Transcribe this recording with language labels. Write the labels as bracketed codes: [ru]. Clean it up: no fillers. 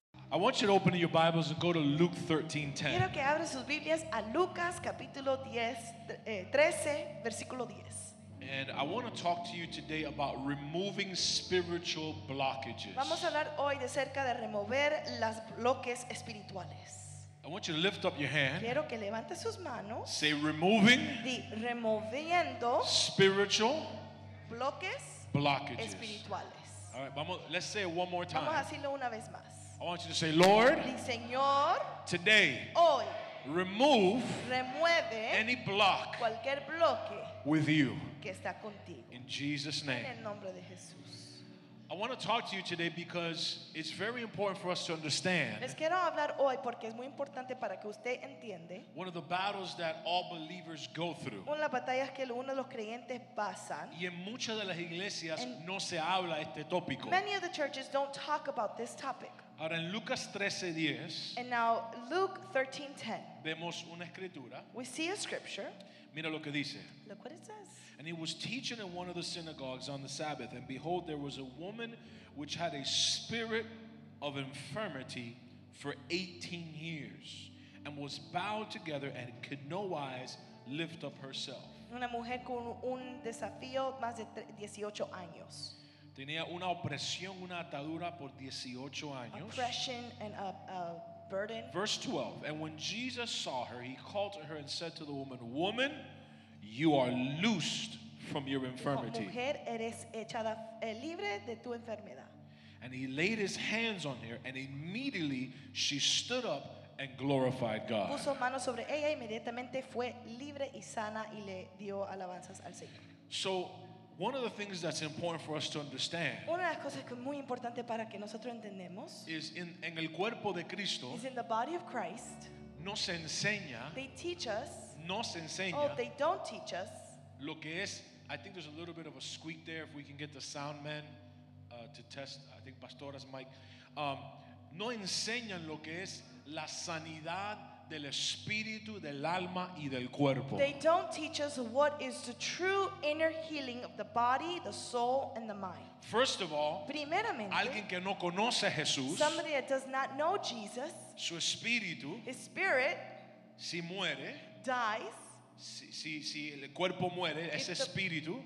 [en] I want you to open your Bibles and go to Luke 13, 10. [es] Quiero que abra sus Biblias a Lucas capítulo 13, versículo 10. [en] And I want to talk to you today about removing spiritual blockages. [es] Vamos a hablar hoy de cerca de remover los bloques espirituales. [en] I want you to lift up your hand. [es] Quiero que levante sus manos. [en] Say removing. [es] Di removiendo. [en] Spiritual. [es] Bloques. [en] Blockages. [es] Espirituales. [en] All right, [es] vamos. [en] Let's say it one more time. [es] Vamos a decirlo una vez más. [en] I want you to say, Lord, [es] Señor, [en] today, [es] hoy, [en] remove [es] remueve [en] any block [es] cualquier bloque [en] with you. [es] Que está contigo. [en] In Jesus' name. [es] En el nombre de Jesús. [en] I want to talk to you today because it's very important for us to understand. [es] Les quiero hablar hoy porque es muy importante para que usted entiende [en] one of the battles that all believers go through. [es] Una de las batallas que uno de los creyentes pasan. Y en muchas de las iglesias no se habla este tópico. [en] Many of the churches don't talk about this topic. [es] Ahora en Lucas 13:10. [en] And now Luke 13:10. [es] Vemos una escritura. [en] We see a scripture. [es] Mira lo que dice. [en] Look what it says. And he was teaching in one of the synagogues on the Sabbath, and behold, there was a woman which had a spirit of infirmity for 18 years, and was bowed together and could no wise lift up herself. [es] Una mujer con un desafío más de 18 años. Tenía una opresión, una atadura por 18 años. [en] Oppression and a burden. Verse 12. And when Jesus saw her, he called to her and said to the woman, "Woman, you are loosed from your infirmity." [es] Mujer, eres echada libre de tu enfermedad. [en] And he laid his hands on her, and immediately she stood up and glorified God. [es] Puso manos sobre ella, inmediatamente fue libre y sana, y le dio alabanzas al Señor. [en] So, one of the things that's important for us to understand [es] una de las cosas que es muy importante para que nosotros entendemos [en] is [es] en el cuerpo de Cristo [en] is in the body of Christ [es] nos enseña [en] they teach us [es] nos enseña [en] oh, they don't teach us [es] lo que es. [en] I think there's a little bit of a squeak there if we can get the sound man to test, I think Pastora's mic. [es] No enseñan lo que es la sanidad del espíritu, del alma y del cuerpo. [en] They don't teach us what is the true inner healing of the body, the soul, and the mind. First of all, [es] primeramente, alguien que no conoce a Jesús, [en] somebody that does not know Jesus, [es] su espíritu, [en] his spirit, [es] si muere, [en] dies, [es] si el cuerpo muere, ese espíritu,